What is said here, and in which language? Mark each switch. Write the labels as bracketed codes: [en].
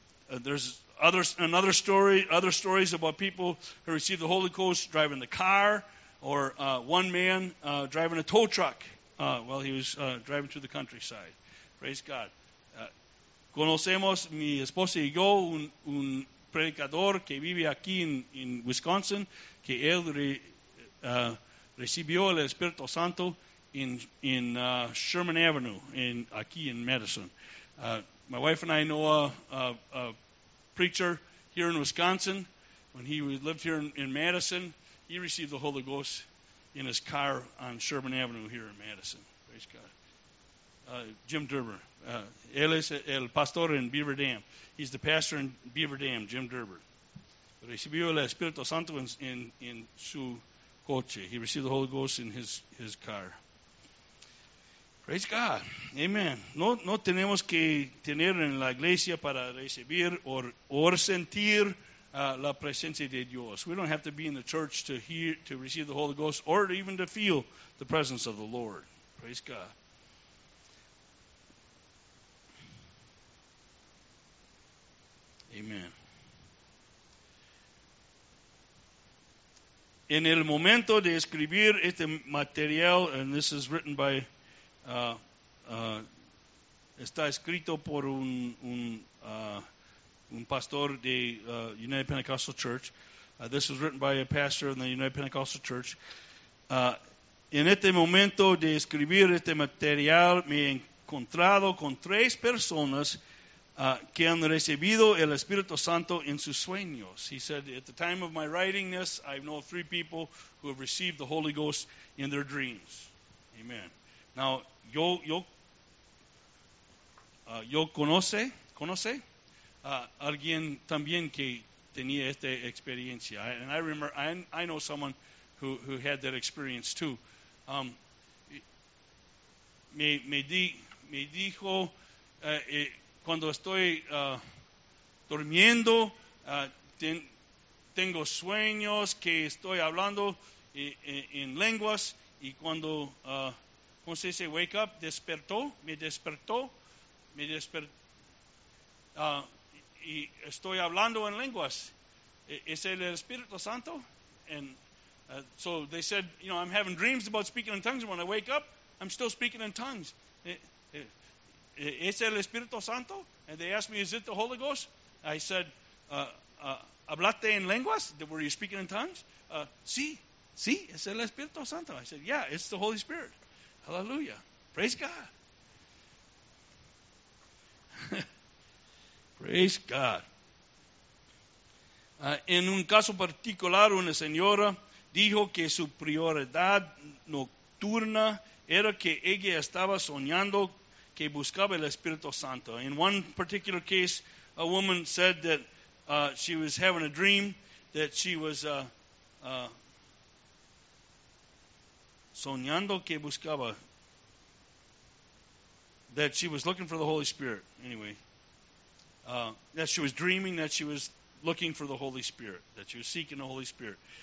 [en] There's other stories about people who received the Holy Ghost driving the car, or one man driving a tow truck while he was driving through the countryside. Praise God. [es] Conocemos mi esposa y yo un predicador que vive aquí en Wisconsin, que él recibió el Espíritu Santo en Sherman Avenue, aquí en Madison. [en] My wife and I know a preacher here in Wisconsin. When he lived here in Madison, he received the Holy Ghost in his car on Sherman Avenue here in Madison. Praise God. [es] Jim Durber. Él es el pastor en Beaver Dam. [en] He's the pastor in Beaver Dam, Jim Durber. [es] Recibió el Espíritu Santo en su coche. [en] He received the Holy Ghost in his car. Praise God. Amen. [es] No tenemos que tener en la iglesia para recibir or sentir la presencia de Dios. [en] We don't have to be in the church to hear, to receive the Holy Ghost, or even to feel the presence of the Lord. Praise God. Amen. [es] En el momento de escribir este material, [en] and this is written by [es] está escrito por un pastor de United Pentecostal Church. [en] This was written by a pastor in the United Pentecostal Church. [es] En este momento de escribir este material, me he encontrado con tres personas que han recibido el Espíritu Santo en sus sueños. [en] He said, at the time of my writing this, I know three people who have received the Holy Ghost in their dreams. Amen. [es] Now, yo conoce alguien también que tenía esta experiencia. [en] I know someone who had that experience too. [es] Me dijo cuando estoy durmiendo, tengo sueños que estoy hablando en lenguas, y cuando ¿cómo se dice? [en] Wake up, [es] despertó, y estoy hablando en lenguas. ¿Es el Espíritu Santo? [en] And so they said, you know, I'm having dreams about speaking in tongues. When I wake up, I'm still speaking in tongues. [es] ¿Es el Espíritu Santo? [en] And they asked me, is it the Holy Ghost? I said, [es] ¿hablaste en lenguas? [en] Were you speaking in tongues? Sí. [es] Sí, es el Espíritu Santo. [en] I said, yeah, it's the Holy Spirit. Hallelujah. Praise God. Praise God. [es] En un caso particular, una señora dijo que su prioridad nocturna era que ella estaba soñando que buscaba el Espíritu Santo. [en] In one particular case, a woman said that she was having a dream that she was [es] soñando que buscaba, [en] that she was looking for the Holy Spirit. Anyway, that she was dreaming that she was looking for the Holy Spirit, that she was seeking the Holy Spirit.